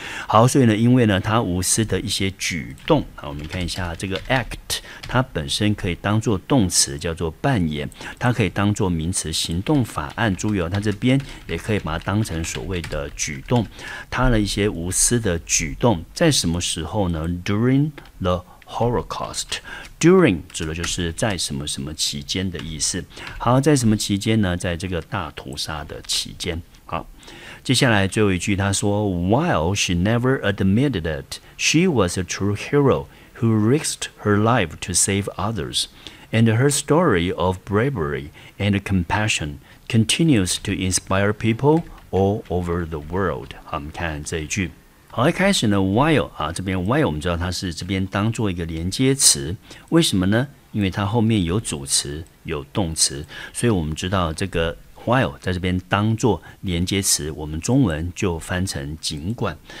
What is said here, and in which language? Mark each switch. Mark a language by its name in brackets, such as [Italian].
[Chinese] 好，所以呢因为呢它无私的一些举动。好，我们看一下这个 act， 它本身可以当作动词叫做扮演，它可以当作名词行动法案，注意哦，它这边也可以把它当成所谓的举动，它的一些无私的举动。在什么时候呢？ [English] During the Holocaust。 [Chinese] During 指的就是在什么什么期间的意思。好，在什么期间呢？在这个大屠杀的期间。好，接下来最后一句他说 [English] While she never admitted it, she was a true hero who risked her life to save others. And her story of bravery and compassion continues to inspire people all over the world. [Chinese] 好，我们看这一句。好，一开始呢 ，while 啊，这边 while 我们知道它是这边当做一个连接词，为什么呢？因为它后面有主词，有动词，所以我们知道这个 while 在这边当做连接词，我们中文就翻成尽管。